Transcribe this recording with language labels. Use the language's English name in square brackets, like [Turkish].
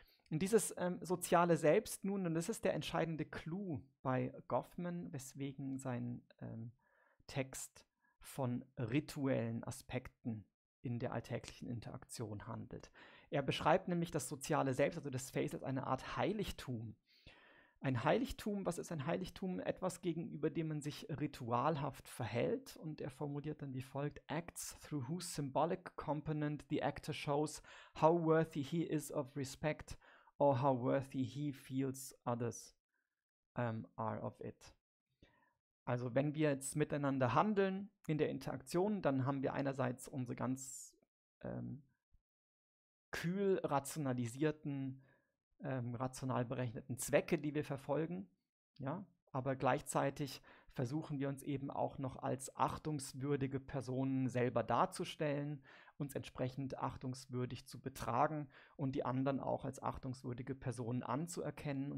[German] Und dieses soziale Selbst nun, und das ist der entscheidende Clou bei Goffman, weswegen sein Text von rituellen Aspekten in der alltäglichen Interaktion handelt. Er beschreibt nämlich das soziale Selbst, also das Face, als eine Art Heiligtum. Ein Heiligtum, was ist ein Heiligtum? Etwas, gegenüber dem man sich ritualhaft verhält. [English] Und er formuliert dann wie folgt: Acts through whose symbolic component the actor shows how worthy he is of respect or how worthy he feels others are of it. [German] Also wenn wir jetzt miteinander handeln in der Interaktion, dann haben wir einerseits unsere ganz kühl rationalisierten, rational berechneten Zwecke, die wir verfolgen, ja, aber gleichzeitig versuchen wir uns eben auch noch als achtungswürdige Personen selber darzustellen, uns entsprechend achtungswürdig zu betragen und die anderen auch als achtungswürdige Personen anzuerkennen.